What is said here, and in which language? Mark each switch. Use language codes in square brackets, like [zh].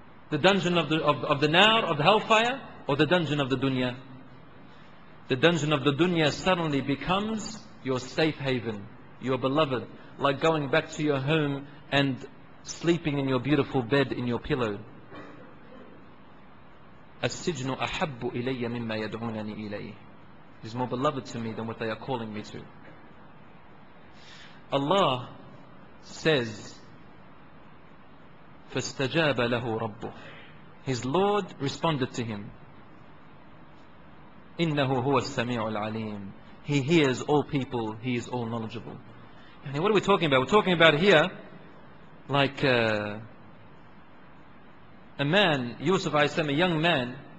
[en] The dungeon of the nar, of the hellfire? Or the dungeon of the dunya? The dungeon of the dunya suddenly becomes your safe haven, your beloved. Like going back to your home and sleeping in your beautiful bed, in your pillow. [ar] السجن أحب إلي مما يدعونني إليه. [en] It is more beloved to me than what they are calling me to. Allah says, [ar] فاستجاب له ربه. [en] His Lord responded to him. [ar] إنه هو السميع العليم. [en] He hears all people. He is all knowledgeable. And what are we talking about? We're talking about here, like a man, Yusuf alayhi salam, a young man.